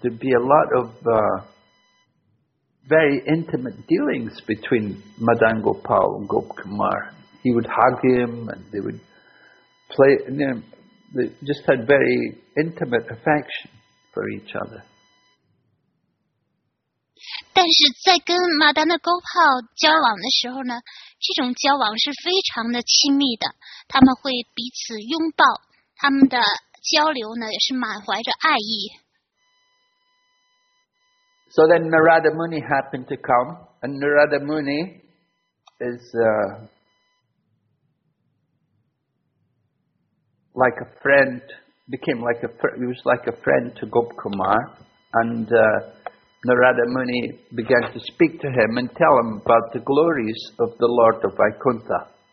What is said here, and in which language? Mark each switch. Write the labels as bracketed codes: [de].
[en] There'd be a lot ofvery intimate dealings between Madan Gopal and Gop Kumar. He would hug him and they would play, you know, they just had very intimate affection for each other. [zh] 但是在跟 Madan Gopal 交往的时候呢，这种交往是非常的亲密的，他们会彼此拥抱，他们的交流呢也是满怀着爱意。 [en] So then Narada Muni happened to come, and Narada Muni is like a friend, became like a he was like a friend to Gop Kumar, and Narada Muni began to speak to him and tell him about the glories of the Lord of Vaikuntha.